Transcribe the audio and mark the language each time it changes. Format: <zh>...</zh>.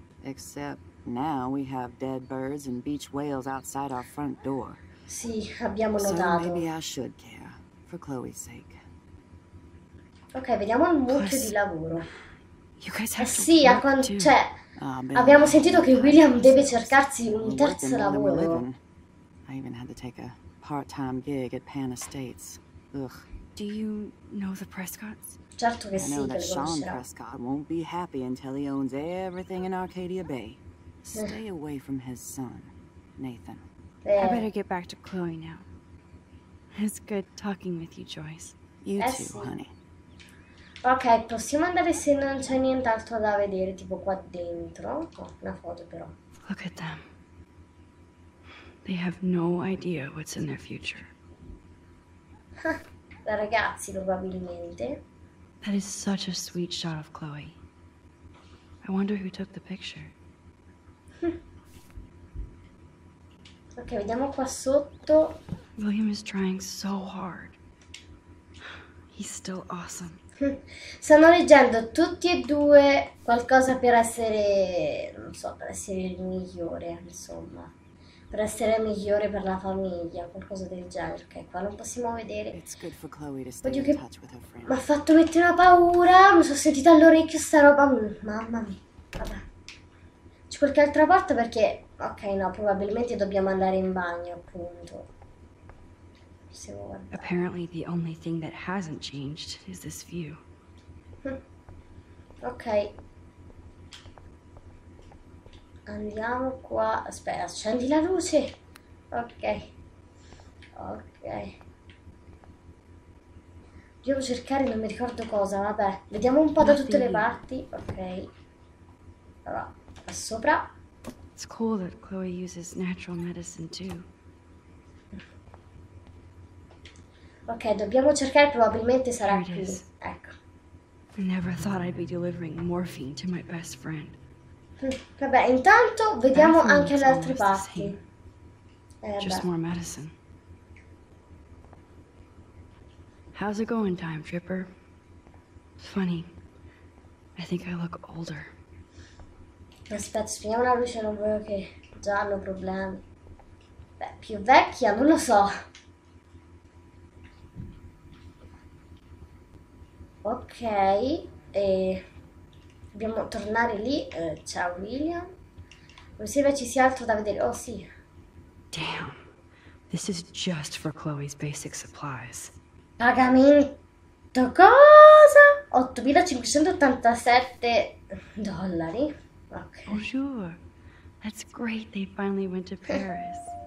<en>Except now we have dead birds and beach whales outside our front door.</en> <it>Sì, abbiamo notato.</it> <en>Maybe I should care for Chloe's sake.</en> <it>Ok, vediamo il mucchio di lavoro.</it> <en>You guys have to</en> <it>sì, a quanto c'è. Abbiamo sentito che William deve cercarsi un terzo lavoro.</it> <en>I even had to take a part-time gig at Pan Estates. Ugh. Do you know the Prescotts?</en> <it>Certo che sì,</it> <en>I know that Sean Prescott won't be happy until he owns everything in Arcadia Bay. Stay away from his son, Nathan. I better get back to Chloe now. It's good talking with you, Joyce. You too, honey.</en> <it>Ok, possiamo andare se non c'è nient'altro da vedere, tipo qua dentro. Oh, una foto però.</it> <en>Look at them. They have no idea what's in their future.</en> <it>Da ragazzi, probabilmente.</it> <en>That is such a sweet shot of Chloe. I wonder who took the picture.</en> <it>Ok, vediamo qua sotto.</it> <en>William is trying so hard. He's still awesome.</en> <it>Stanno leggendo tutti e due qualcosa per essere, non so, per essere il migliore, insomma. Per essere migliore per la famiglia, qualcosa del genere. Ok, qua non possiamo vedere. Oddio che... mi ha fatto mettere una paura, mi sono sentita all'orecchio sta roba. Mamma mia, vabbè. C'è qualche altra porta perché... ok, no, probabilmente dobbiamo andare in bagno, appunto.</it> <en>Apparently the only thing that hasn't changed is this view.</en> <it>Ok. Andiamo qua. Aspetta, accendi la luce. Ok. Ok. Devo cercare, non mi ricordo cosa, vabbè. Vediamo un po' da tutte le parti. Ok. Allora, qua sopra.</it> <en>It's cool that Chloe uses natural medicine too.</en> <it>Ok, dobbiamo cercare, probabilmente sarà qui. Ecco.</it> <en>I never thought I'd be delivering morphine to my best friend.</en> <it>Vabbè, intanto vediamo anche le altre parti.</it> <en>Just more medicine. How's it going, time tripper? Funny. I think I look older.</en> <it>Aspetta, spegniamo la luce, non voglio che già hanno problemi. Beh, più vecchia, non lo so. Ok, e dobbiamo tornare lì. Ciao William. Non sembra ci sia altro da vedere. Oh sì.</it> <en>Damn. This is just for Chloe's basic supplies.</en> <it>Pagamento cosa? 8587 dollari. Ok.</it> <fr>Bonjour.</fr> <en>That's great they finally went to Paris.</en>